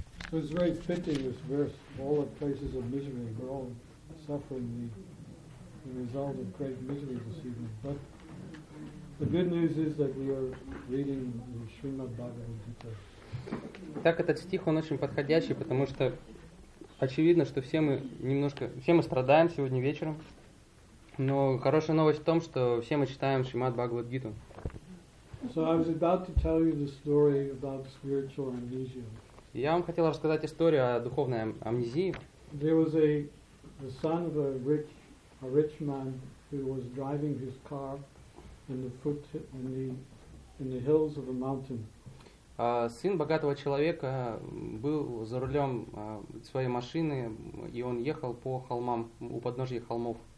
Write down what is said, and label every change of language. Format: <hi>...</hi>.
<en>So it's very fitting, this verse, all the places of misery, we're all suffering the result of great misery this evening. But the good news is that we are reading the Srimad Bhagavad Gita.</en> <ru>Так этот стих, он очень подходящий, потому что очевидно, что все мы страдаем сегодня вечером, но хорошая новость в том, что все мы читаем Шримад Бхагавад Гиту.</ru> <en>So I was about to tell you the story about spiritual amnesia.</en> <ru>Я вам хотел рассказать историю о духовной амнезии.</ru> <en>There was the son of a rich man who was driving his car in the hills of a mountain.</en> <ru>Сын богатого человека был за рулем своей машины, и он ехал по холмам, у подножья холмов.</ru>